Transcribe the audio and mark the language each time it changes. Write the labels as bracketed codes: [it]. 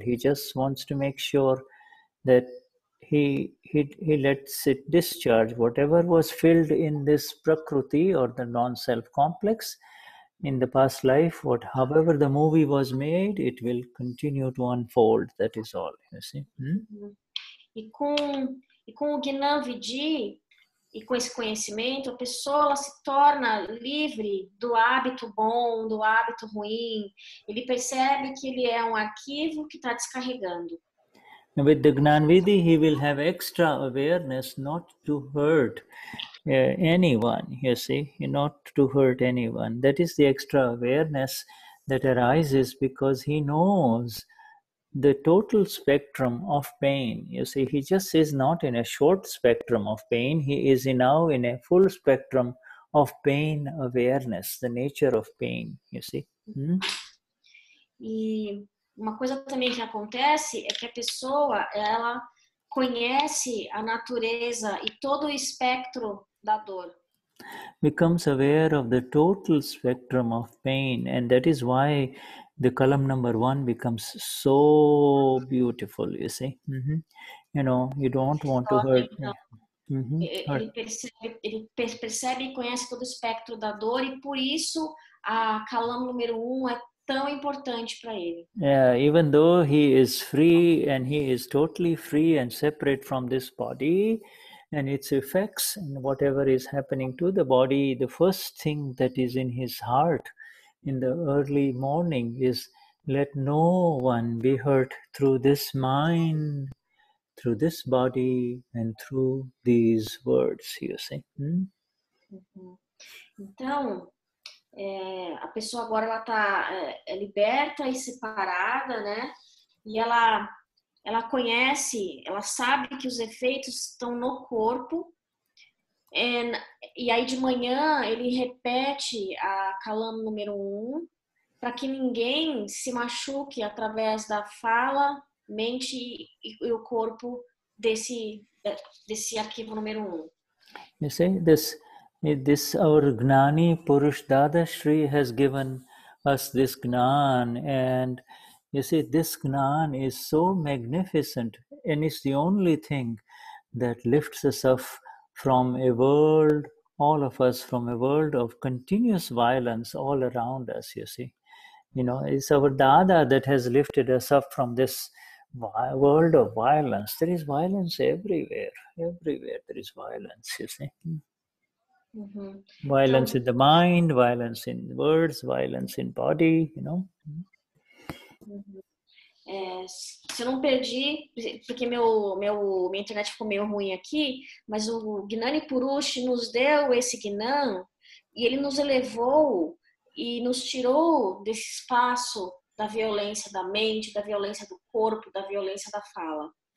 [en] He just wants to make sure that he lets it discharge whatever was filled in this prakriti or the non-self complex in the past life. What, however the movie was made, it will continue to unfold. That is all, you see. [pt] E com o Gnan Vidhi e com esse conhecimento, a pessoa ela se torna livre do hábito bom, do hábito ruim. Ele percebe que ele é um arquivo que está descarregando. [en] And with the Gnan Vidhi, he will have extra awareness not to hurt anyone, you see, not to hurt anyone. That is the extra awareness that arises because he knows the total spectrum of pain. You see, he just is not in a short spectrum of pain. He is now in a full spectrum of pain awareness, the nature of pain, you see. [pt] E uma coisa também que acontece é que a pessoa, ela conhece a natureza e todo o espectro da dor. [en] Becomes aware of the total spectrum of pain, and that is why the column number one becomes so beautiful, you see. Mm-hmm. You know, you don't want to hurt. Mm-hmm. [pt] Ele percebe e conhece todo o espectro da dor, e por isso a column número um é tão importante para ele. [en] Yeah, even though he is free and he is totally free and separate from this body and its effects and whatever is happening to the body, the first thing that is in his heart in the early morning is, let no one be hurt through this mind, through this body, and through these words, you see. Hmm? [pt] Então, a pessoa agora ela está liberta e separada, né? E ela conhece, ela sabe que os efeitos estão no corpo. E aí de manhã ele repete a calama número um para que ninguém se machuque através da fala, mente e o corpo desse arquivo número um. [en] You see, this our Gnani Purush Dadashri has given us this Gnan, and you see, this Gnan is so magnificent, and it's the only thing that lifts us up from a world, all of us, from a world of continuous violence all around us, you see. You know, it's our Dada that has lifted us up from this world of violence. There is violence everywhere. Everywhere there is violence, you see. Mm-hmm. Violence in the mind, violence in words, violence in body, you know. [pt] Se eu não perdi, porque minha internet ficou meio ruim aqui, mas o Gnani Purush nos deu esse Gnan e ele nos elevou e nos tirou desse espaço da violência da mente, da violência do corpo, da violência da fala.